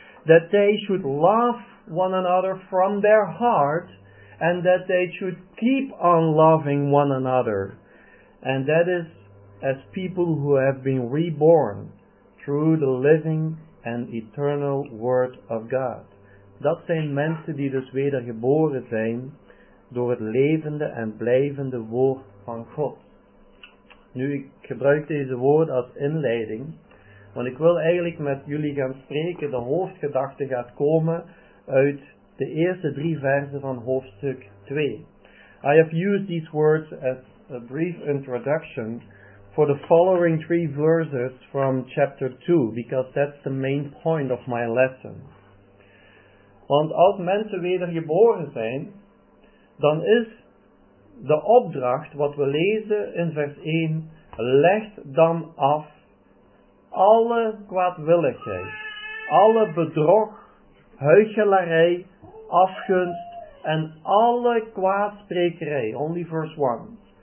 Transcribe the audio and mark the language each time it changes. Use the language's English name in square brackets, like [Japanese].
[English] that they should love one another from their heart, and that they should keep on loving one another. And that is as people who have been reborn through the living and eternal Word of God. [Dutch] Dat zijn mensen die dus wedergeboren zijn door het levende en blijvende woord van God. Nu, ik gebruik deze woord als inleiding, want ik wil eigenlijk met jullie gaan spreken. De hoofdgedachte gaat komen uit de eerste drie versen van hoofdstuk 2. [English] I have used these words as a brief introduction for the following three verses from chapter 2, because that's the main point of my lesson. [Dutch] Want als mensen wedergeboren zijn, dan is de opdracht wat we lezen in vers 1, leg dan af alle kwaadwilligheid, alle bedrog, huichelarij, afgunst en alle kwaadsprekerij. [English] Only verse 1.